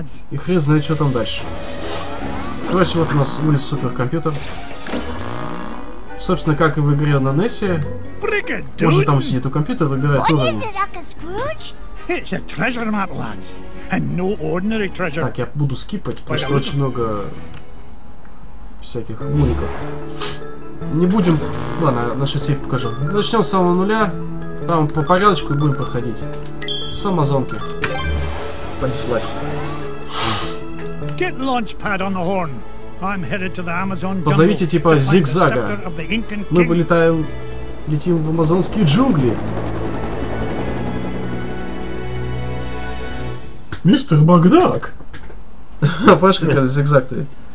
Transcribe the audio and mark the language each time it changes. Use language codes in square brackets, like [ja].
[ru] И хрен знает, что там дальше. Короче, вот у нас вылез суперкомпьютер. Собственно, как и в игре на NES. Может, там сидит у компьютера, выбирает уровень. [en] It's a treasure map, lads, and no ordinary treasure. [ru] Так, я буду скипать, потому что очень много всяких муликов. Не будем... Ладно, насчет сейф покажу. Начнем с самого нуля, там по порядочку и будем проходить. С Амазонки. Понеслась. [en] Get launch pad on the horn. I'm headed to the Amazon jungle. [ru] Позовите типа зигзага. Мы полетаем, летим в амазонские джунгли. Мистер Макдак! А Пашка как раз зигзаг ты.